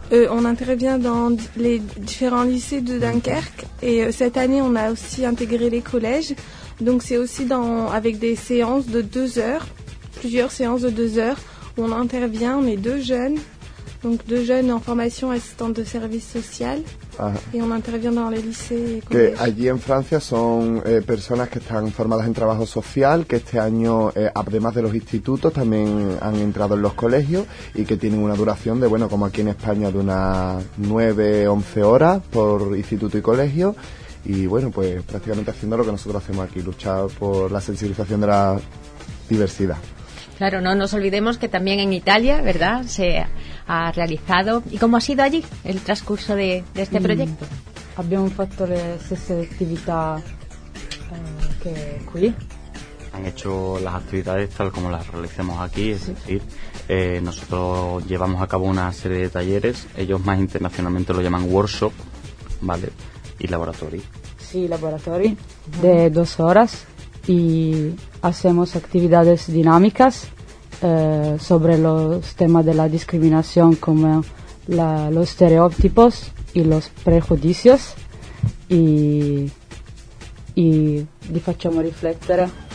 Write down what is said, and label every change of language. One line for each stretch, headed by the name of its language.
French: On intervient dans les différents lycées de Dunkerque et cette année on a aussi intégré les collèges. Donc c'est aussi avec des séances de 2 heures, plusieurs séances de 2 heures, où on intervient, on est deux jeunes. Donc deux jeunes en formation assistante de service social. Ajá. Y on intervient dans les lycées.
Spanish: Que allí en Francia son personas que están formadas en trabajo social, que este año, además de los institutos, también han entrado en los colegios y que tienen una duración de, bueno, como aquí en España, de unas 9-11 horas por instituto y colegio. Y bueno, pues prácticamente haciendo lo que nosotros hacemos aquí, luchar por la sensibilización de la diversidad. Claro, no nos olvidemos que también en Italia, ¿verdad?, se ha realizado. ¿Y cómo ha sido allí el transcurso de este proyecto?
Italian: Abbiamo fatto le stesse attività che qui.
Spanish: Han hecho las actividades tal como las realizamos aquí, es decir, nosotros llevamos a cabo una serie de talleres, ellos más internacionalmente lo llaman workshop, ¿vale?, y laboratorio. Sí, laboratorio de 2 horas. Y hacemos actividades dinámicas sobre los temas de la discriminación, como los estereotipos y los prejuicios, y
Italian: li facciamo riflettere.